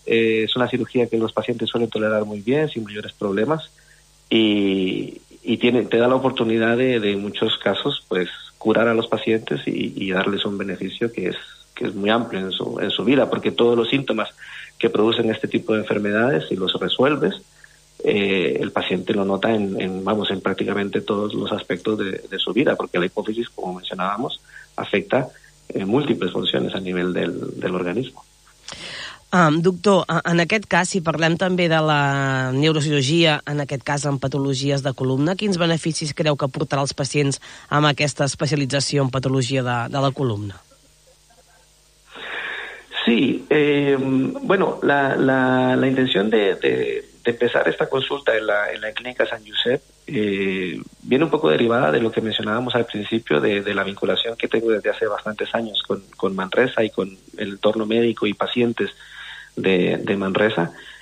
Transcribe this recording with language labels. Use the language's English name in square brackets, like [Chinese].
[Spanish] Es una cirugía que los pacientes suelen tolerar muy bien, sin mayores problemas, y te da la oportunidad de en muchos casos pues curar a los pacientes y darles un beneficio que es muy amplio en su vida, porque todos los síntomas que producen este tipo de enfermedades, y los resuelves, el paciente lo nota en prácticamente todos los aspectos de su vida, porque la hipófisis, como mencionábamos, afecta múltiples funciones a nivel del organismo. [Catalan] Doctor, en aquest cas, si parlem també de la neurocirurgia, en aquest cas en patologies de columna, quins beneficis creu que aportarà als pacients amb aquesta especialització en patologia de la columna? [Spanish] Sí, la intención de empezar esta consulta en la clínica San Josep viene un poco derivada de lo que mencionábamos al principio de la vinculación que tengo desde hace bastantes años con Manresa y con el entorno médico y pacientes de Manresa.